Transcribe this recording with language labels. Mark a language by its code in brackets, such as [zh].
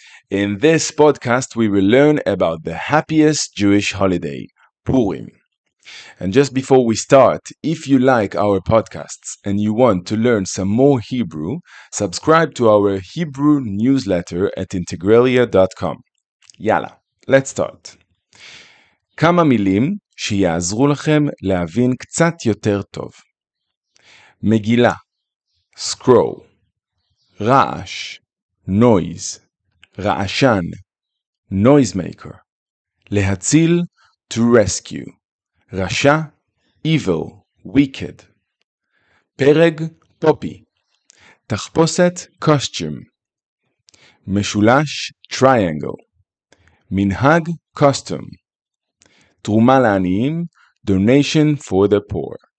[en] In this podcast, we will learn about the happiest Jewish holiday, Purim. And just before we start, if you like our podcasts and you want to learn some more Hebrew, subscribe to our Hebrew newsletter at integralia.com. Yala, let's start. [he] כמה מילים שיעזרו לכם להבין קצת יותר טוב. [en] מגילה, scroll, רעש, noise, רעשן, noisemaker, להציל, to rescue, רשע, evil, wicked. [he] פרג, טופי, תחפושת, costume, משולש, triangle, מנהג, custom, תרומה לעניים, donation for the poor.